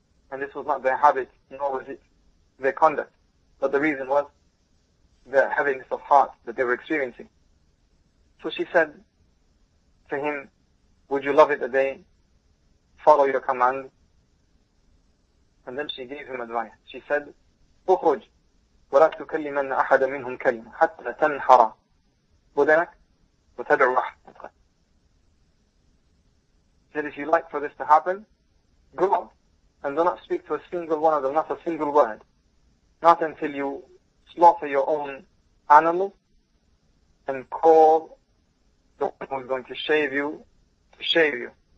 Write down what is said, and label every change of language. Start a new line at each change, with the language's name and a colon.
English: And this was not their habit, nor was it their conduct. But the reason was the heaviness of heart that they were experiencing. So she said to him, would you love it that they follow your command? And then she gave him advice. She said,
Arabic: أخرج ولا تكلمن أحد منهم كلمة حتى تنحر بدنك وتدعو أحدك.
English: She said, if you like for this to happen, go out and do not speak to a single one of them, not a single word. Not until you slaughter your own animals and call the one who's going to shave you. Shave you.